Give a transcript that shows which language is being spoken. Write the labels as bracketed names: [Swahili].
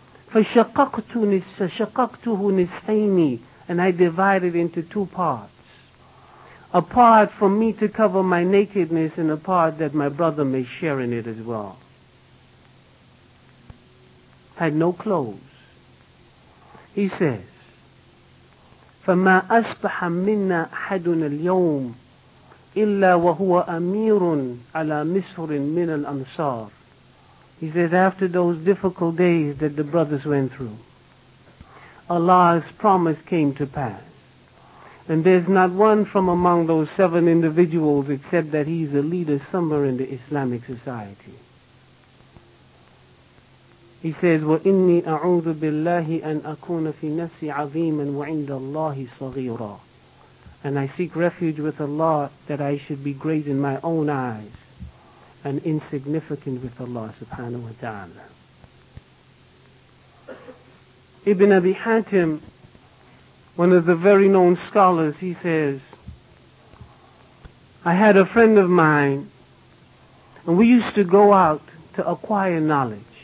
[Arabic] فَشَقَقْتُهُ نِسْحَيْنِي [English] And I divided it into two parts. A part for me to cover my nakedness and a part that my brother may share in it as well. had no clothes. He says, [Arabic] فَمَا أَصْبَحَ مِنَّا أَحَدُنَا الْيَوْمِ إِلَّا وَهُوَ أَمِيرٌ عَلَى مِصْرٍ مِنَ الْأَنْصَارِ. [English] He says, after those difficult days that the brothers went through, Allah's promise came to pass. And there's not one from among those seven individuals except that he's a leader somewhere in the Islamic society. He says, [Arabic] وَإِنِّي أَعُوذُ بِاللَّهِ أَنْ أَكُونَ فِي نَفْسِي عَظِيمًا وَعِنْدَ اللَّهِ صَغِيرًا. [English] And I seek refuge with Allah that I should be great in my own eyes and insignificant with Allah subhanahu wa ta'ala. Ibn Abi Hatim, one of the very known scholars, he says, I had a friend of mine, and we used to go out to acquire knowledge.